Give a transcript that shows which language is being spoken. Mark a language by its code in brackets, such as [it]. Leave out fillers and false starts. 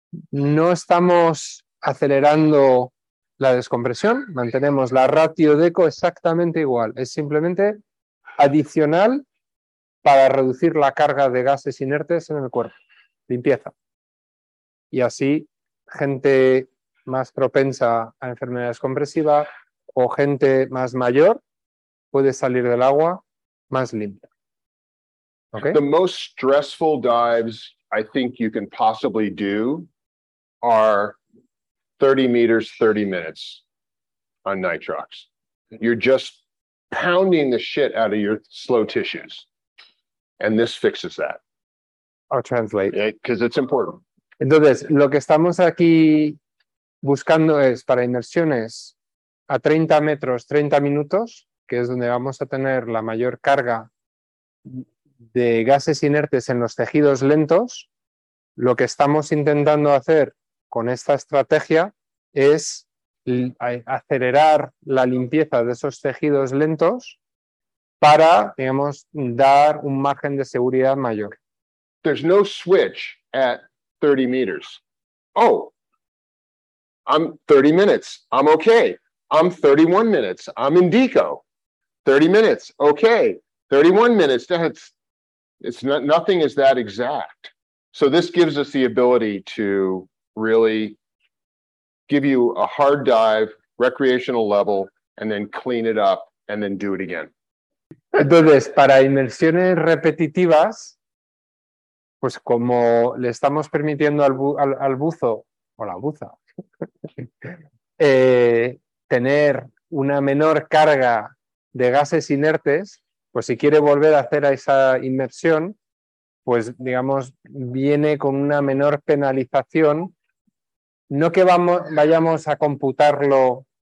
[es] No estamos acelerando la descompresión, mantenemos la ratio de eco exactamente igual, es simplemente adicional para reducir la carga de gases inertes en el cuerpo, limpieza. Y así, gente más propensa a enfermedades compresivas o gente más mayor puede salir del agua más limpia. [en] Okay? The most stressful dives I think you can possibly do are 30 meters, 30 minutes on Nitrox. You're just pounding the shit out of your slow tissues. And this fixes that. I'll translate. Because it's important. [es] Entonces, lo que estamos aquí buscando es para inmersiones a 30 metros, 30 minutos, que es donde vamos a tener la mayor carga de gases inertes en los tejidos lentos. Lo que estamos intentando hacer con esta estrategia es acelerar la limpieza de esos tejidos lentos para, digamos, dar un margen de seguridad mayor. [en] There's no switch at 30 meters. Oh, I'm 30 minutes. I'm okay. I'm 31 minutes. I'm in DECO. 30 minutes. Okay. 31 minutes. That's, it's not, nothing is that exact. So this gives us the ability to really give you a hard dive, recreational level, and then clean it up and then do it again. [es] Entonces, para inmersiones repetitivas, pues como le estamos permitiendo al buzo o la buza tener una menor carga de gases inertes, pues si quiere volver a hacer esa inmersión, pues digamos, viene con una menor penalización, no que vayamos a computarlo